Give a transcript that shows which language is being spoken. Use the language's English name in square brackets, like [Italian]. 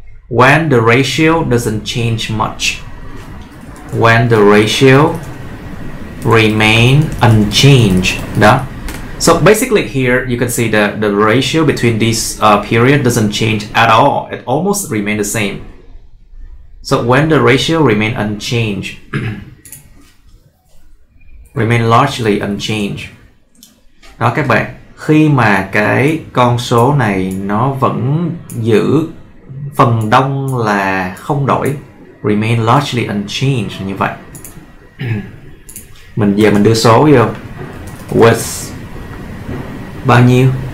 [English] when the ratio doesn't change much, when the ratio remain unchanged. [Vietnamese] Đó. [English] So basically here you can see that the ratio between this period doesn't change at all. It almost remain the same. So when the ratio remain unchanged, remain largely unchanged. [Vietnamese] Đó các bạn, khi mà cái con số này nó vẫn giữ phần đông là không đổi, [English] remain largely unchanged [Vietnamese] như vậy. Mình giờ mình đưa số vô with bao nhiêu?